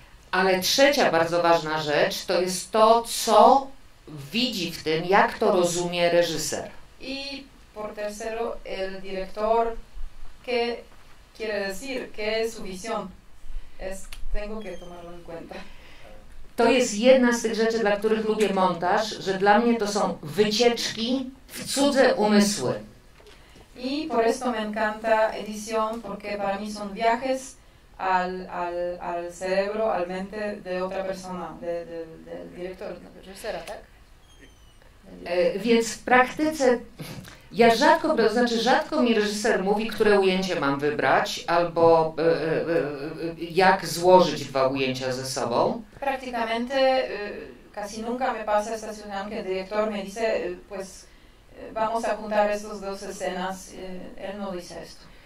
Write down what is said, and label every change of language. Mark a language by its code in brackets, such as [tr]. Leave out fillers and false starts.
[pl] Ale trzecia bardzo ważna rzecz to jest to, co widzi w tym, jak to rozumie reżyser. [es] Y por tercero, el director, ¿qué quiere decir? ¿Qué es su visión? Tengo que tomarlo en cuenta. [pl] To jest jedna z tych rzeczy, dla których lubię montaż, że dla mnie to są wycieczki w cudze umysły. [es] I por esto me encanta edición, porque para mí son viajes al cerebro, al mente de otra persona, del director, [pl] reżysera, tak? Więc w praktyce ja rzadko, to znaczy rzadko mi reżyser mówi, które ujęcie mam wybrać, albo jak złożyć dwa ujęcia ze sobą. Praktycznie [es] casi nunca me pasa esta situación que el director me dice, pues vamos a juntar estos dos escenas, él no dice esto.